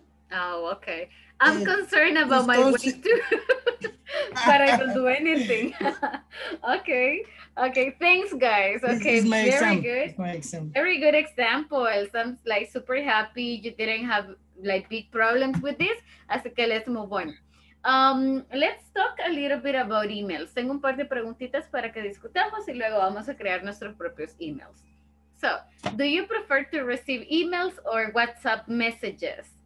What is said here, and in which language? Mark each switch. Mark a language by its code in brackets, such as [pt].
[en] I'm concerned about my weight too. But I don't do anything. Okay, thanks guys. Okay, very good examples. I'm like super happy you didn't have like big problems with this. [es] Así que [en] let's move on. Let's talk a little bit about emails. [es] Tengo un par de preguntitas para que discutamos y luego vamos a crear nuestros propios emails. [en] So, do you prefer to receive emails or WhatsApp messages?